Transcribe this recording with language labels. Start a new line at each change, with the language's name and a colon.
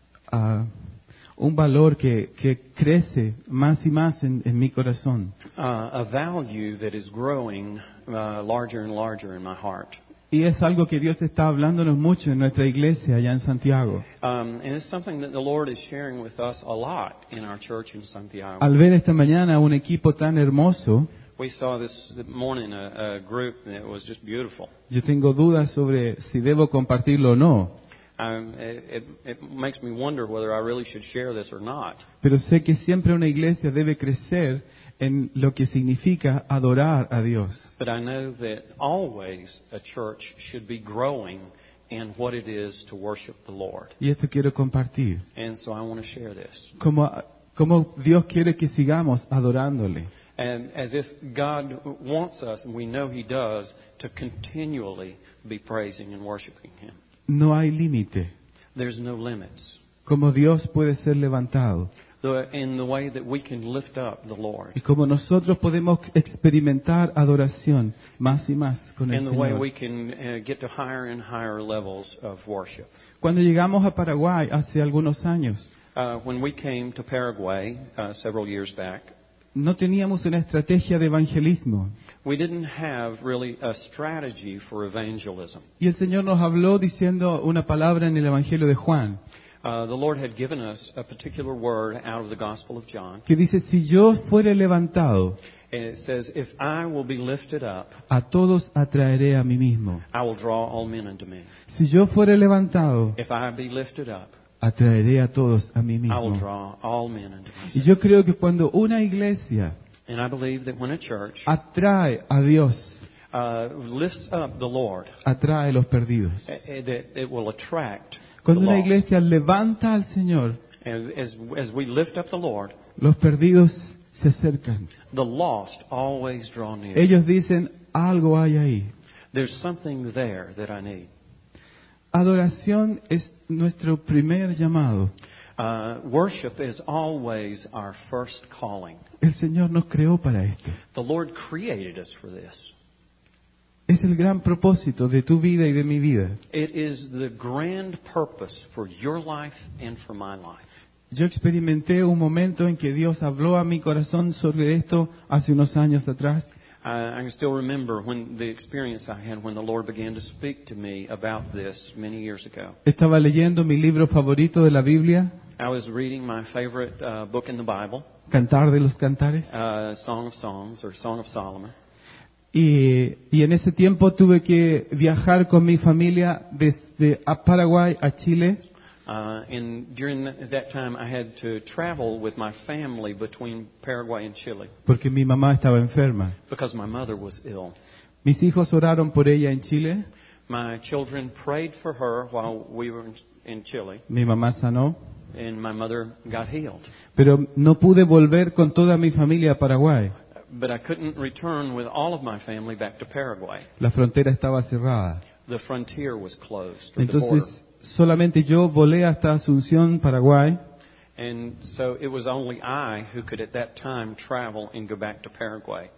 Spanish: Un valor que crece más y más en mi corazón.
English: A value that is growing larger and larger in my heart.
Spanish: Y es algo que Dios está hablándonos mucho en nuestra iglesia allá en Santiago.
English: And it's something that the Lord is sharing with us a lot in our church in Santiago.
Spanish: Al ver esta mañana un equipo tan hermoso,
English: we saw this morning a group that was just beautiful.
Spanish: Yo tengo dudas sobre si debo compartirlo o no.
English: It makes me wonder whether I really should share this or not.
Spanish: Pero sé que siempre una iglesia debe crecer en lo que significa adorar a Dios.
English: But I know that always a church should be growing in what it is to worship the Lord.
Spanish: Y esto quiero compartir.
English: And so I want to share this.
Spanish: Como Dios quiere que sigamos adorándole.
English: And as if God wants us, and we know He does, to continually be praising and worshiping Him.
Spanish: No hay límite.
English: There's no limits.
Spanish: Como Dios puede ser levantado.
English: In the way that we can lift up the Lord.
Spanish: Y como nosotros podemos experimentar adoración más y más con el Señor.
English: In the way we can get to higher and higher levels of worship.
Spanish: Cuando llegamos a Paraguay hace algunos años,
English: when we came to Paraguay several years back,
Spanish: no teníamos una estrategia de evangelismo.
English: We didn't have really a strategy for evangelism.
Spanish: Y el Señor nos habló diciendo una palabra en el Evangelio de Juan.
English: The Lord had given us a particular word out of the Gospel of John.
Spanish: Que dice, si yo fuere levantado,
English: and it says, if I will be lifted up,
Spanish: a todos atraeré a mí mismo.
English: I will draw all men unto me.
Spanish: Si yo fuere levantado,
English: if I be lifted up,
Spanish: atraeré a todos a mí mismo.
English: I will draw all men unto me.
Spanish: Y yo creo que cuando una iglesia,
English: and I believe that when a church,
Spanish: atrae a Dios,
English: lifts up the Lord,
Spanish: atrae los perdidos,
English: it will attract.
Spanish: Cuando una iglesia levanta al Señor,
English: as we lift up the Lord,
Spanish: los perdidos se acercan.
English: The lost always draw near.
Spanish: Ellos dicen, algo hay ahí.
English: There's something there that I need.
Spanish: Adoración es nuestro primer llamado.
English: Worship is always our first calling.
Spanish: El Señor nos creó para esto.
English: The Lord created us for this.
Spanish: Es el gran propósito de tu vida y de mi vida.
English: It is the grand purpose for your life and for my life.
Spanish: Yo experimenté un momento en que Dios habló a mi corazón sobre esto hace unos años atrás.
English: I still remember when the experience I had when the Lord began to speak to me about this many years ago.
Spanish: Estaba leyendo mi libro favorito de la Biblia.
English: I was reading my favorite book in the Bible.
Spanish: Cantar de los Cantares.
English: Song of Songs or Song of Solomon.
Spanish: Y en ese tiempo tuve que viajar con mi familia desde Paraguay a Chile.
English: And during that time I had to travel with my family between Paraguay and Chile.
Spanish: Porque mi mamá estaba enferma.
English: Because my mother was ill.
Spanish: Mis hijos oraron por ella en Chile.
English: My children prayed for her while we were in Chile.
Spanish: Mi mamá sanó.
English: And my mother got healed.
Spanish: Pero no pude volver con toda mi familia a Paraguay.
English: But I couldn't return with all of my family back to Paraguay.
Spanish: La frontera estaba cerrada.
English: The frontier was closed.
Spanish: Entonces,
English: the border.
Spanish: Solamente yo volé hasta Asunción, Paraguay.
English: And so it was only I who could at that time travel and go back to Paraguay.